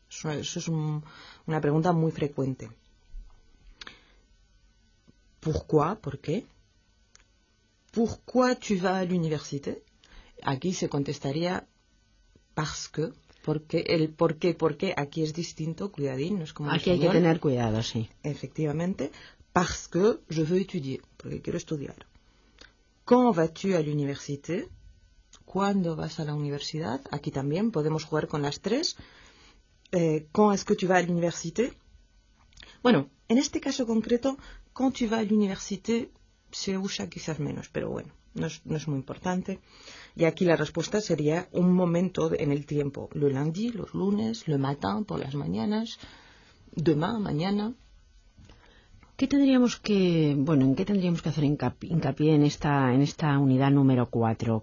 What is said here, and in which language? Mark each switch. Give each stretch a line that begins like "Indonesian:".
Spanish: Eso es una pregunta muy frecuente.
French: Pourquoi?
Spanish: ¿Por qué?
French: Pourquoi tu vas à l'université?
Spanish: Aquí se contestaría parce que. Porque el por qué aquí es distinto. Cuidadín, no es como aquí hay que tener cuidado, sí. Efectivamente.
French: Parce que je veux étudier.
Spanish: Porque quiero estudiar.
French: ¿Quand vas-tu à l'université?
Spanish: ¿Cuándo vas a la universidad? Aquí también podemos jugar con las tres.
French: ¿Quand est-ce que tu vas à l'université?
Spanish: Bueno, en este caso concreto,
French: ¿quand tu vas à l'université?
Spanish: Se usa quizás menos, pero bueno, no es muy importante. Y aquí la respuesta sería un momento en el tiempo.
French: Le lundi,
Spanish: los lunes,
French: le matin,
Spanish: por las mañanas, demain, mañana. ¿Qué tendríamos que, bueno, en qué tendríamos que hacer hincapié en esta unidad número 4?